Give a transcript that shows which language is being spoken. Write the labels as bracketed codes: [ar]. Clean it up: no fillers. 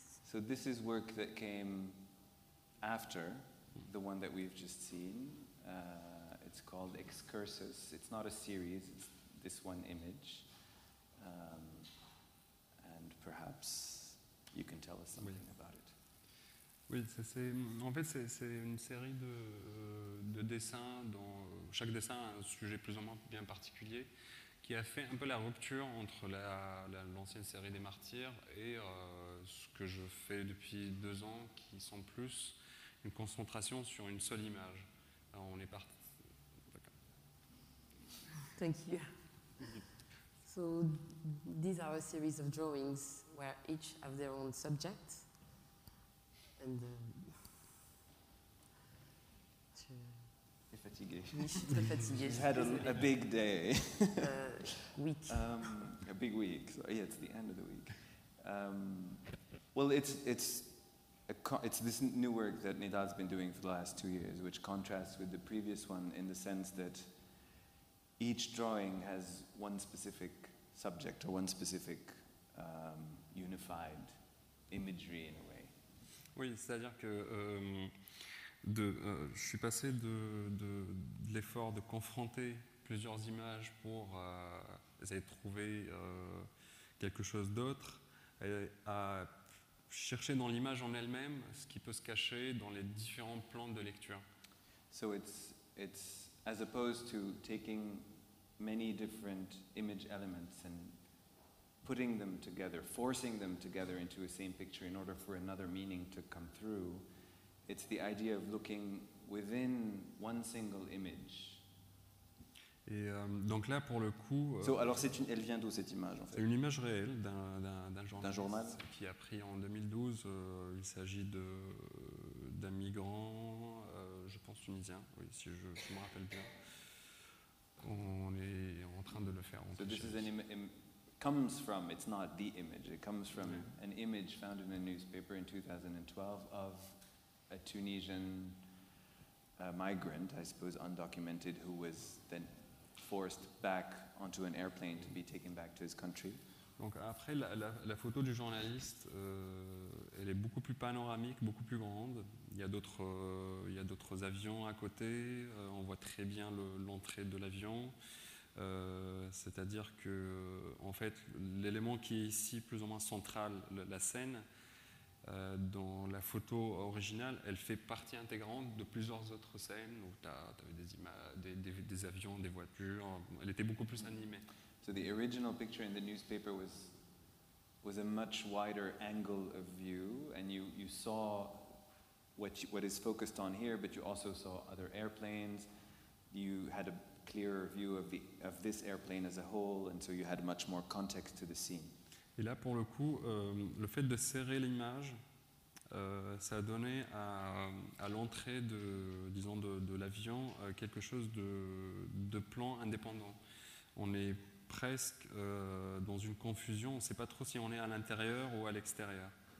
[en] So this is work that came after the one that we've just seen. It's called Excursus. It's not a series, it's this one image. And perhaps you can tell us something about it. [fr] Oui, c'est, en fait, c'est une série de dessins dont chaque dessin a un sujet plus ou moins bien particulier qui a fait un peu la rupture entre l'ancienne série des martyrs et ce que je fais depuis 2 ans, qui sont plus une concentration sur une seule image. Alors, on est parti. [en] Thank you. So these are a series of drawings where each have their own subject. And [fr] fatigué. [en] You had a big day. Week. A big week. So, yeah, it's the end of the week. Well, it's this new work that Nidal's been doing for the last 2 years, which contrasts with the previous one in the sense that each drawing has one specific subject or one specific unified imagery in a way. [fr] Oui, c'est-à-dire que je suis passé de l'effort de confronter plusieurs images pour essayer de trouver quelque chose d'autre à chercher dans l'image en elle-même ce qui peut se cacher dans les différents plans de lecture. [en] So it's as opposed to taking many different image elements and putting them together, forcing them together into a same picture in order for another meaning to come through. It's the idea of looking within one single image. [fr] Et donc là, pour le coup... Alors, elle vient d'où, cette image, en fait? C'est une image réelle d'un journal qui a pris en 2012. Il s'agit d'un migrant, je pense tunisien, oui, si je me rappelle bien. On est en train de le faire. [en] So this is an comes from, it's not the image, it comes from an image found in a newspaper in 2012 of a Tunisian migrant, I suppose undocumented, who was then forced back onto an airplane to be taken back to his country. [fr] Donc après, la photo du journaliste, elle est beaucoup plus panoramique, beaucoup plus grande. Il y a d'autres avions à côté, on voit très bien l'entrée de l'avion. C'est-à-dire que, en fait, l'élément qui est ici plus ou moins central, la scène, dans la photo originale, elle fait partie intégrante de plusieurs autres scènes où tu avais des avions, des voitures, elle était beaucoup plus animée. [en] So the original picture in the newspaper was a much wider angle of view, and you saw what is focused on here, but you also saw other airplanes. You had a clearer view of this airplane as a whole, and so you had much more context to the scene. [fr] Et là, pour le coup, le fait de serrer l'image, ça a donné à l'entrée de l'avion quelque chose de plan indépendant. On est presque dans une confusion, on ne sait pas trop si on est à l'intérieur ou à l'extérieur.